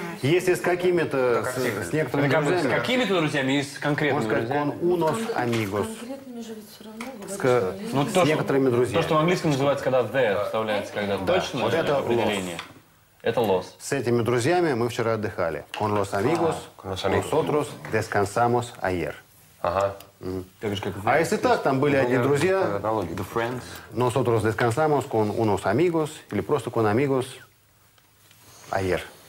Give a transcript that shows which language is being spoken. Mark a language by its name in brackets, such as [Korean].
[Russian] Если с какими-то... С некоторыми друзьями... С какими-то друзьями и с конкретными друзьями? Можно сказать, он [Spanish] unos amigos. [Russian] С конкретными же все равно... С некоторыми друзьями. То, что в английском называется, когда the вставляется, когда the. Точно? Вот это определение. Это лос. С этими друзьями мы вчера отдыхали. [Spanish] Con los amigos, nosotros descansamos ayer. [Russian] Ага. Mm. Как, а если так, там были одни друзья, [English] the friends. [Spanish] Nosotros descansamos con unos amigos, [Russian] или просто [Spanish] con amigos, ayer.